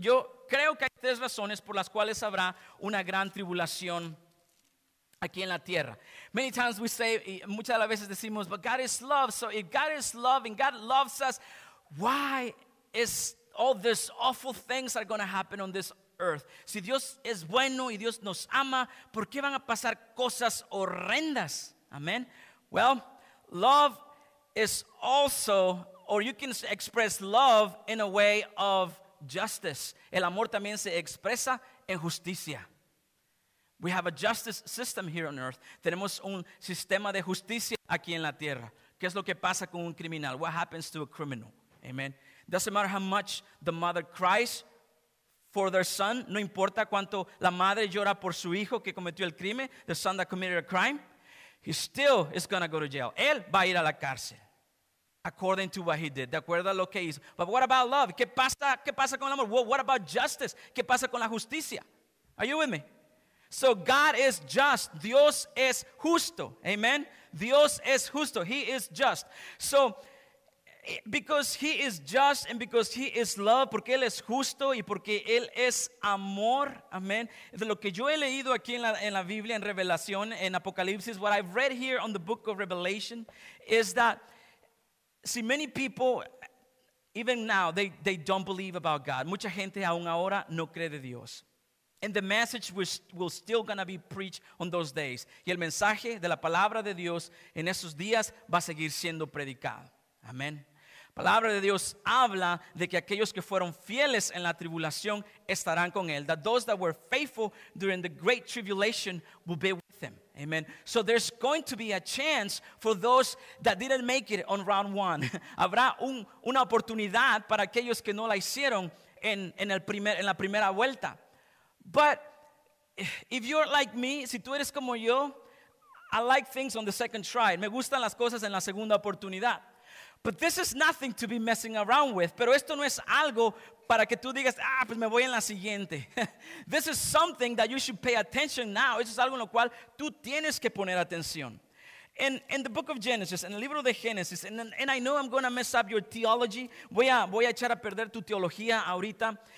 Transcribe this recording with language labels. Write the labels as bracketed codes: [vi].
[es] Yo creo que hay tres razones por las cuales habrá una gran tribulación aquí en la tierra. [en] Many times we say, [es] muchas de las veces decimos, [en] but God is love. So if God is love and God loves us, why is all these awful things are going to happen on this earth? [es] Si Dios es bueno y Dios nos ama, ¿por qué van a pasar cosas horrendas? [en] Amen. Well, love is also, or you can express love in a way of justice. [es] El amor también se expresa en justicia. [en] We have a justice system here on earth. [es] Tenemos un sistema de justicia aquí en la tierra. ¿Qué es lo que pasa con un criminal? [en] What happens to a criminal? Amen. Doesn't matter how much the mother cries for their son. [es] No importa cuánto la madre llora por su hijo que cometió el crimen, [en] the son that committed a crime, he still is going to go to jail. [es] Él va a ir a la cárcel. [en] According to what he did, [es] de acuerdo a lo que hizo. [en] But what about love? [es] ¿Qué pasa con el amor? [en] Well, what about justice? [es] ¿Qué pasa con la justicia? [en] Are you with me? So God is just. [es] Dios es justo. [en] Amen. [es] Dios es justo. [en] He is just. So because he is just and because he is love, [es] porque él es justo y porque él es amor, [en] amen. [es] De lo que yo he leído aquí en la Biblia, en Revelación, en Apocalipsis, [en] what I've read here on the book of Revelation is that, see, many people, even now, they don't believe about God. [es] Mucha gente aún ahora no cree de Dios. [en] And the message will still going to be preached on those days. [es] Y el mensaje de la palabra de Dios en esos días va a seguir siendo predicado. Amén. Palabra de Dios habla de que aquellos que fueron fieles en la tribulación estarán con él. [en] That those that were faithful during the great tribulation will be with him. Amen. So there's going to be a chance for those that didn't make it on round one. [es] Habrá una oportunidad para aquellos que no la hicieron en la primera vuelta. [en] But if you're like me, [es] si tú eres como yo, [en] I like things on the second try. [es] Me gustan las cosas en la segunda oportunidad. [en] But this is nothing to be messing around with. [es] Pero esto no es algo para que tú digas, pues me voy en la siguiente. [en] This is something that you should pay attention now. [es] Eso es algo en lo cual tú tienes que poner atención. [en] In the book of Genesis, [es] en el libro de Génesis, [en] and I know I'm going to mess up your theology. [es] Voy a echar a perder tu teología ahorita.